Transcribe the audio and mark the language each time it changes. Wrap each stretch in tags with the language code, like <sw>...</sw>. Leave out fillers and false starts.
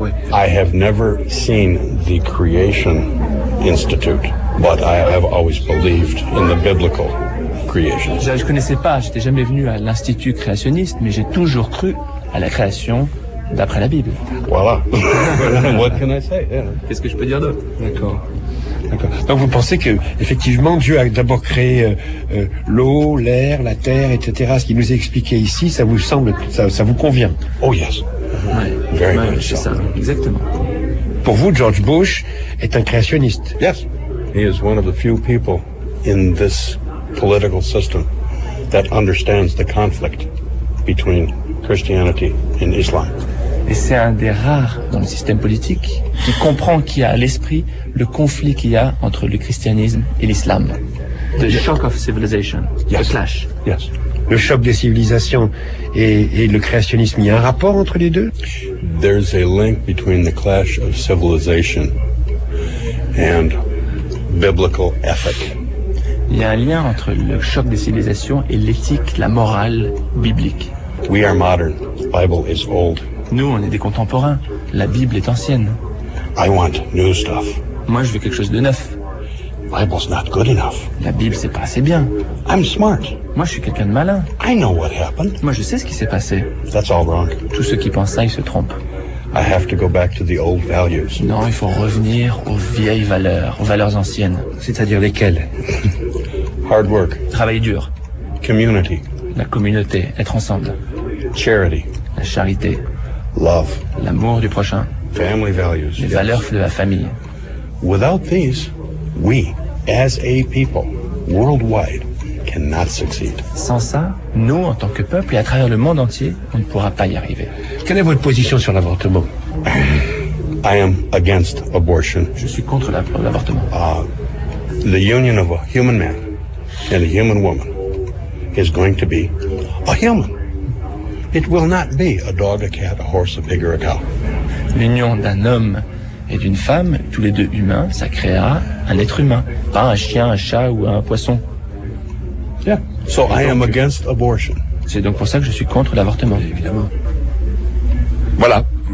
<en>I have never seen the Creation Institute, but I have always believed in the biblical creation.</en> <fr>Je connaissais pas, j'étais jamais venu à l'Institut créationniste, mais j'ai toujours cru à la création d'après la Bible. Voilà.</fr> <en>What can I say? Yeah.</en> <fr>Qu'est-ce que je peux dire d'autre? D'accord. Donc vous pensez que effectivement Dieu a d'abord créé l'eau, l'air, la terre, etc. Ce qui nous est expliqué ici, ça vous semble, ça vous convient?</fr> <en>Oh yes.</en> <fr>Ouais,</fr> <en>very good.</en> <fr>C'est ça, exactement. Pour vous, George Bush est un créationniste.</fr> <en>Yes. He is one of the few people in this political system that understands the conflict between Christianity and Islam.</en> <fr>Et c'est un des rares dans le système politique qui comprend, qui a à l'esprit le conflit qu'il y a entre le christianisme et l'islam.</fr> <en>The shock of civilization. Yes. The clash. Yes.</en> <fr>Le choc des civilisations et le créationnisme, il y a un rapport entre les deux?</fr> <en>There's a link between the clash of civilization and biblical ethic.</en> <fr>Il y a un lien entre le choc des civilisations et l'éthique, la morale biblique.</fr> <en>We are modern. The Bible is old.</en> <fr>Nous, on est des contemporains. La Bible est ancienne.</fr> <en>I want new stuff.</en> <fr>Moi, je veux quelque chose de neuf.</fr> <en>Bible's not good enough.</en> <fr>La Bible, c'est pas assez bien.</fr> <en>I'm smart.</en> <fr>Moi, je suis quelqu'un de malin.</fr> <en>I know what happened.</en> <fr>Moi, je sais ce qui s'est passé.</fr> <en>That's all wrong.</en> <fr>Tous ceux qui pensent ça, ils se trompent.</fr> <en>I have to go back to the old values.</en> <fr>Non, il faut revenir aux vieilles valeurs, aux valeurs anciennes. C'est-à-dire lesquelles?</fr> <en>Hard work.</en> <fr>Travail dur.</fr> <en>Community.</en> <fr>La communauté, être ensemble.</fr> <en>Charity.</en> <fr>La charité.</fr> <en>Love.</en> <fr>L'amour du prochain.</fr> <en>Family values.</en> <fr>Les valeurs de la famille.</fr> <en>Without these, we, as a people, worldwide, cannot succeed.</en> <fr>Sans ça, nous, en tant que peuple et à travers le monde entier, on ne pourra pas y arriver. Quelle est votre position sur l'avortement?</fr> <en>I am against abortion.</en> <fr>Je suis contre l'avortement.</fr> <en>The union of a human man and a human woman is going to be a human. It will not be a dog, a cat, a horse, a pig or a cow.</en> <fr>L'union d'un homme et d'une femme, tous les deux humains, ça créera un être humain, pas un chien, un chat ou un poisson.</fr> <en>Yeah. So I am against abortion.</en> <fr>C'est donc pour ça que je suis contre l'avortement. Évidemment. Voilà.</fr>